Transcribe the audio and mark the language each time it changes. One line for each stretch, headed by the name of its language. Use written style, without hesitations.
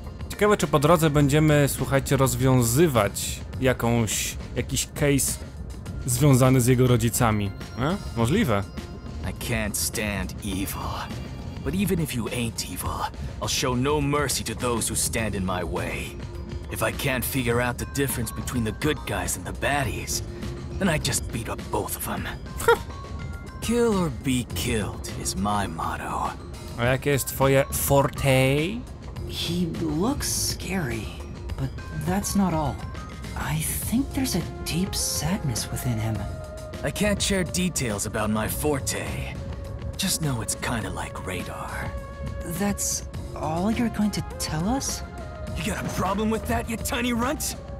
Polish: Ciekawe, czy po drodze będziemy, słuchajcie, rozwiązywać jakiś case związany z jego rodzicami. Możliwe.
English: I can't stand evil. But even if you ain't evil, I'll show no mercy to those who stand in my way. If I can't figure out the difference between the good guys and the baddies, then I just beat up both of them. Kill or be killed is my motto.
Polish: A jakie jest twoje forte?
English: He looks scary, but that's not all. I think there's a deep sadness within him. I can't share details about my forte. Just know it's kind of like radar. That's all you're going to tell us? You got a problem with that, you tiny runt?